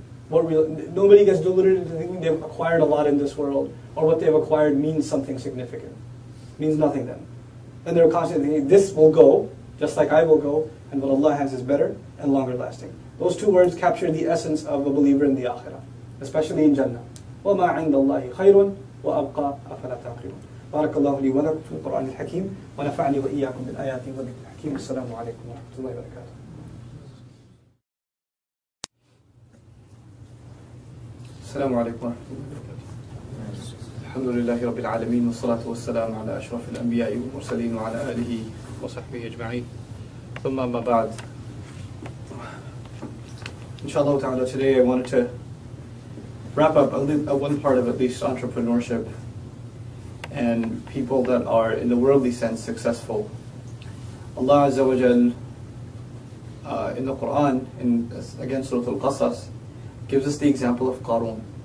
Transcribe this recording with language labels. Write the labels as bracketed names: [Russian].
[English] Nobody gets deluded into thinking they've acquired a lot in this world, or what they've acquired means something significant. It means nothing then. Then they're constantly thinking, this will go, just like I will go, and what Allah has is better and longer lasting. Those two words capture the essence of a believer in the Akhirah, especially in Jannah. [Arabic] وَمَا عِنْدَ اللَّهِ خَيْرٌ وأبقى أفلا تعقلون بارك الله لي ولكم في القرآن الحكيم ونفعني وإياكم بالآيات والذكر الحكيم السلام عليكم ورحمة الله وبركاته. السلام عليكم ورحمة الله وبركاته. الحمد لله رب العالمين والصلاة والسلام على أشرف الأنبياء والمرسلين وعلى آله وصحبه أجمعين. ثم ما بعد. إن شاء الله تعالى. [English] Today I wanted to wrap up one part of at least entrepreneurship and people that are in the worldly sense successful. Allah Azza wa Jal in the Quran, again Surah Al-Qasas, gives us the example of Qarun.